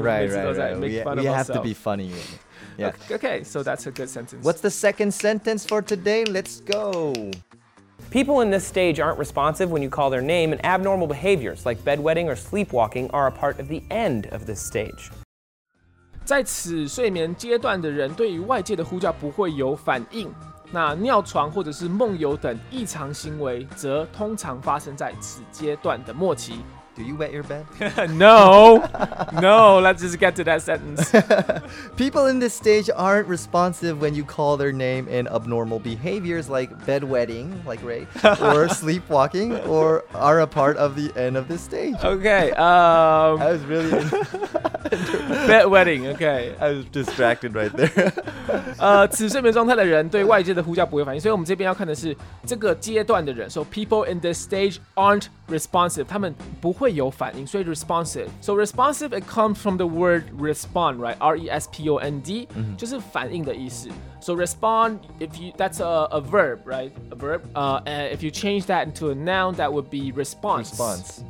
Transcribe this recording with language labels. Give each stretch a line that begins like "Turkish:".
English: right. We have to be funny. Yeah. Okay. So that's a good sentence. What's the second sentence for today? Let's go. People in this stage aren't responsive when you call their name, and abnormal behaviors like bedwetting or sleepwalking are a part of the end of this stage.
Chinese: 在此睡眠阶段的人对于外界的呼叫不会有反应。那尿床或者是梦游等异常行为则通常发生在此阶段的末期。
English: Do you wet your bed? No, no. Let's just get to that sentence. People in this stage aren't responsive when you call their name and abnormal behaviors like bedwetting, like Ray, or sleepwalking, or are a part of the end of this stage. Okay. I was really bedwetting. Okay. I was distracted right there.
Chinese: 此睡眠状态的人对外界的呼叫不会反应，所以我们这边要看的是这个阶段的人。
English: So people in this stage aren't responsive.
Chinese: 他们不会有反应，所以
English: responsive. So responsive, it comes from the word respond, right?
Chinese: R-E-S-P-O-N-D,、mm-hmm. 就是反应的意思。
English: So respond, if you, that's a verb, right? A verb. And if you change that into a noun, that would be response. Response.